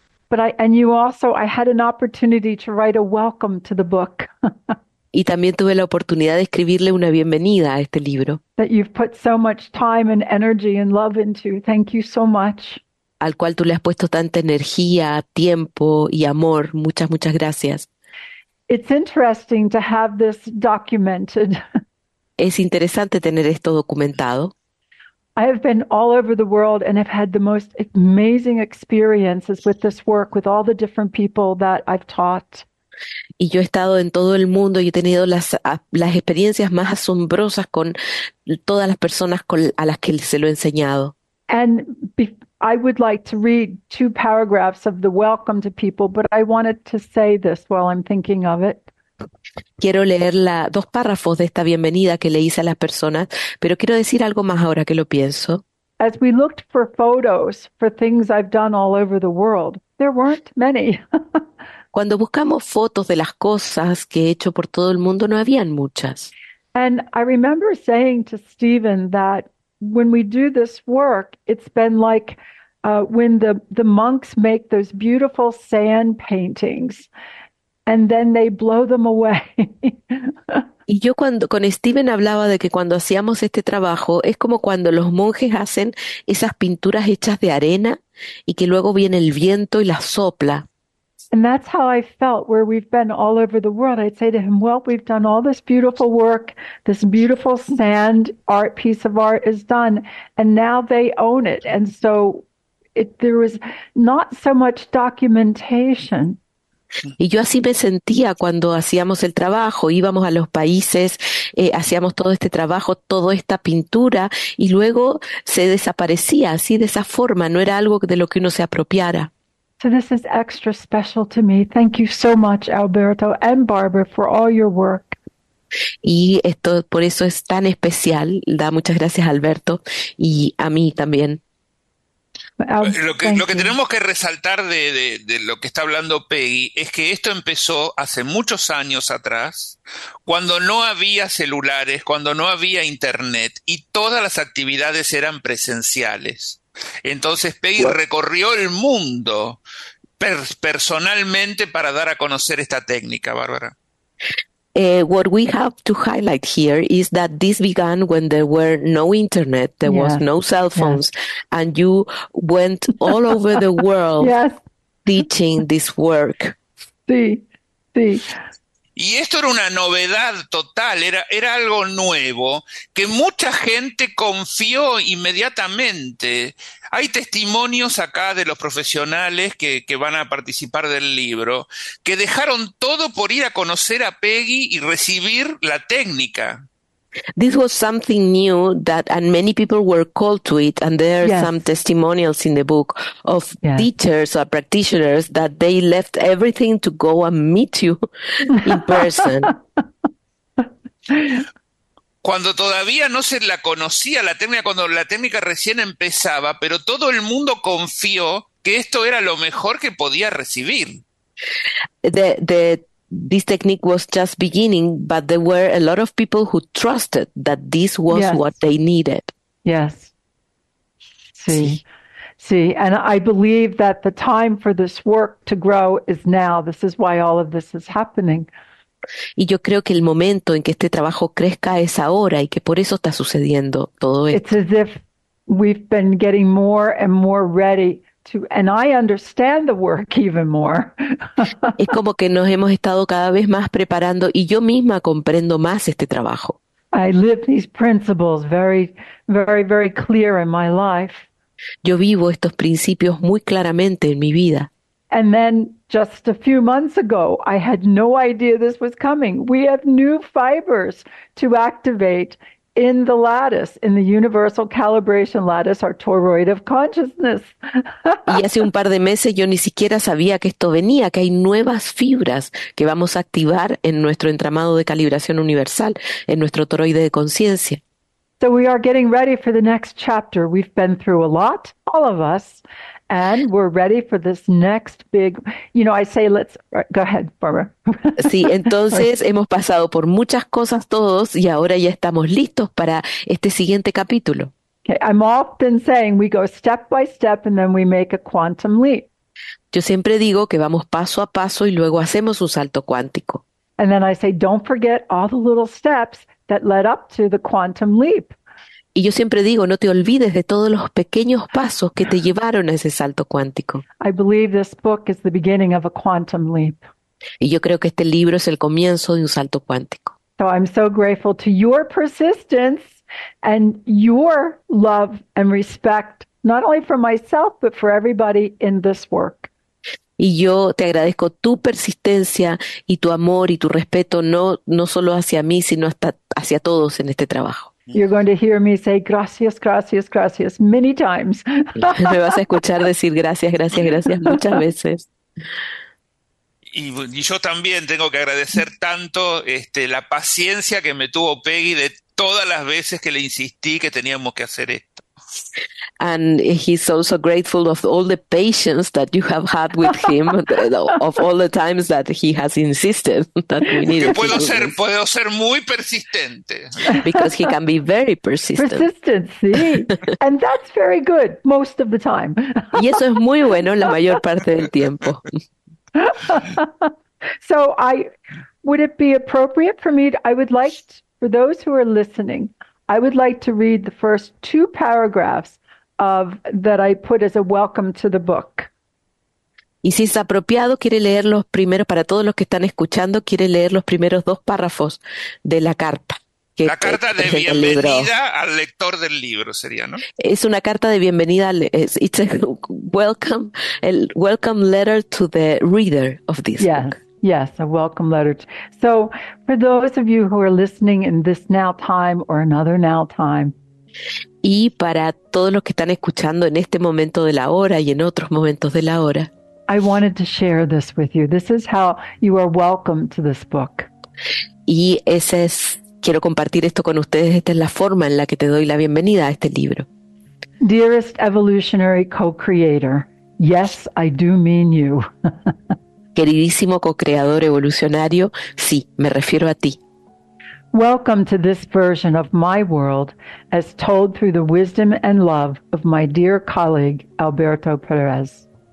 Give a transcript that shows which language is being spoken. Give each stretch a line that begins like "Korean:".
English: But I had an opportunity to write a welcome to the book.
Spanish: Y también tuve la oportunidad de escribirle una bienvenida a este libro.
English: That you've put so much time and energy and love into. Thank you so much.
Spanish: Al cual tú le has puesto tanta energía, tiempo y amor. Muchas, muchas gracias.
English: It's interesting to have this documented.
Spanish: Es interesante tener esto documentado.
English: I have been all over the world and have had the most amazing experiences with this work, with all the different people that I've taught.
Spanish: Y yo he estado en todo el mundo y he tenido las experiencias más asombrosas con todas las personas a las que se lo he enseñado.
English: And I would like to read two paragraphs of the welcome to people, but I wanted to say this while I'm thinking of it.
Spanish: Quiero leer dos párrafos de esta bienvenida que le hice a las personas, pero quiero decir algo más ahora que lo pienso.
English: As we looked for photos for things I've done all over the world, there weren't many.
Spanish: Cuando buscamos fotos de las cosas que he hecho por todo el mundo, no habían muchas.
English: And I remember saying to Stephen that when we do this work, it's been like when the monks make those beautiful sand paintings and then they blow them away.
Spanish: Y yo con Stephen hablaba de que cuando hacíamos este trabajo, es como cuando los monjes hacen esas pinturas hechas de arena y que luego viene el viento y las sopla.
English: And that's how I felt where we've been all over the world. I'd say to him, well, we've done all this beautiful work. This beautiful sand art piece of art is done. And now they own it. And so there was not so much documentation.
Spanish: Y yo así me sentía cuando hacíamos el trabajo, íbamos a los países, hacíamos todo este trabajo, toda esta pintura, y luego se desaparecía así de esa forma. No era algo de lo que uno se apropiara.
English: So this is extra special to me. Thank you so much, Alberto and Barbara, for all your work.
Spanish: Y esto por eso es tan especial. Da muchas gracias, Alberto, y a mí también. Lo que tenemos que resaltar de lo que está hablando Peggy es que esto empezó hace muchos años atrás, cuando no había celulares, cuando no había internet, y todas las actividades eran presenciales. Entonces Peggy recorrió el mundo personalmente para dar a conocer esta técnica, Bárbara.
English: What we have to highlight here is that this began when there were no internet, there was no cell phones, and you went all over the world teaching this work.
Spanish: Sí, sí. Y esto era una novedad total, era algo nuevo, que mucha gente confió inmediatamente. Hay testimonios acá de los profesionales que van a participar del libro, que dejaron todo por ir a conocer a Peggy y recibir la técnica.
English: This was something new that, and many people were called to it, and there are some testimonials in the book of teachers or practitioners that they left everything to go and meet you in person.
Spanish: cuando todavía no se la conocía la técnica, cuando la técnica recién empezaba, pero todo el mundo confió que esto era lo mejor que podía recibir.
English: This technique was just beginning, but there were a lot of people who trusted that this was what they needed. Yes.
Spanish: Sí. Sí.
English: See, and I believe that the time for this work to grow is now. This is why all of this is happening.
Spanish: Y yo creo que el momento en que este trabajo crezca es ahora y que por eso está sucediendo todo
English: It's
Spanish: esto.
English: as if we've been getting more and more ready to, and I understand the work even more.
Spanish: Es como que nos hemos estado cada vez más preparando y yo misma comprendo más este trabajo.
English: I live these principles very, very, very clear in my life.
Spanish: Yo vivo estos principios muy claramente en mi vida.
English: And then just a few months ago, I had no idea this was coming. We have new fibers to activate in the lattice, in the universal calibration lattice, our toroid of consciousness.
Spanish: Y hace un par de meses yo ni siquiera sabía que esto venía, que hay nuevas fibras que vamos a activar en nuestro entramado de calibración universal, en nuestro toroide de conciencia.
English: So we are getting ready for the next chapter. We've been through a lot, all of us. And we're ready for this next big, you know, I say, let's go ahead, Barbara.
Spanish: Sí,
English: Sorry.
Spanish: entonces hemos pasado por muchas cosas todos y ahora ya estamos listos para este siguiente capítulo.
English: Okay, I'm often saying we go step by step and then we make a quantum leap.
Spanish: Yo siempre digo que vamos paso a paso y luego hacemos un salto cuántico.
English: And then I say, don't forget all the little steps that led up to the quantum leap.
Spanish: Y yo siempre digo, no te olvides de todos los pequeños pasos que te llevaron a ese salto cuántico.
English: I believe this book is the beginning of a quantum leap.
Spanish: Y yo creo que este libro es el comienzo de un salto cuántico.
English: So I'm so grateful to your persistence and your love and respect, not only for myself, but for everybody in this work.
Spanish: Y yo te agradezco tu persistencia y tu amor y tu respeto, no solo hacia mí, sino hasta hacia todos en este trabajo.
English: You're going to hear me say gracias, gracias, gracias many times.
Spanish: Me vas a escuchar decir gracias, gracias, gracias muchas veces. Y yo también tengo que agradecer tanto la paciencia que me tuvo Peggy de todas las veces que le insistí que teníamos que hacer esto.
English: And he's also grateful of all the patience that you have had with him, of all the times that he has insisted that we
Spanish: Porque
English: needed to do this.
Spanish: puedo ser muy persistente.
English: Because he can be very persistent. Persistency, and that's very good most of the time.
Spanish: Y eso es muy bueno la mayor parte del tiempo.
English: So I would it be appropriate for me to, I would like to, for those who are listening, I would like to read the first two paragraphs of that I put as a welcome to the book.
Spanish: Y si es apropiado, quiere leer los primeros, para todos los que están escuchando, quiere leer los primeros dos párrafos de la carta La que carta de presenta el libro. bienvenida al lector del libro sería, ¿no? Es una carta de bienvenida,
English: it's a welcome letter to the reader of this book. Yes, a welcome letter. So, for those of you who are listening in this now time or another now time,
Spanish: Y para todos los que están escuchando en este momento de la hora y en otros momentos de la hora,
English: I wanted to share this with you. This is how you are welcome to this book.
Spanish: y ese es, quiero compartir esto con ustedes, esta es la forma en la que te doy la bienvenida a este libro.
English: Dearest evolutionary co-creator, yes, I do mean you.
Spanish: Queridísimo co-creador evolucionario, sí, me refiero a ti.
English: Welcome to this version of my world as told through the wisdom and love of my dear colleague, Alberto Perez.